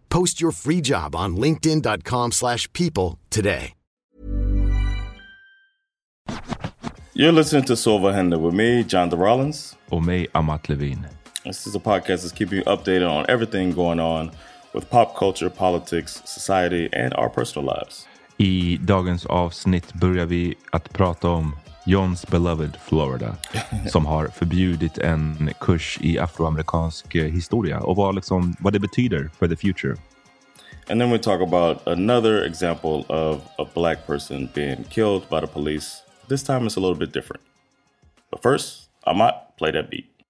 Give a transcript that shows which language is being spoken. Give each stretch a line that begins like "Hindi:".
English: Post your free job on linkedin.com/people today. You're listening to Silver Hender with me, John DeRollins. Or me, Amat Levine. This is a podcast that's keeping you updated on everything going on with pop culture, politics, society, and our personal lives.
Swedish: I dagens avsnitt börjar vi att prata om
English: John's beloved Florida,
Swedish: som har förbjudit en kurs i afroamerikansk historia och vad, liksom, vad det betyder
English: for the future. And then we talk about another example of a black person being killed by the police. This time it's a little bit different. But first, I might play that beat.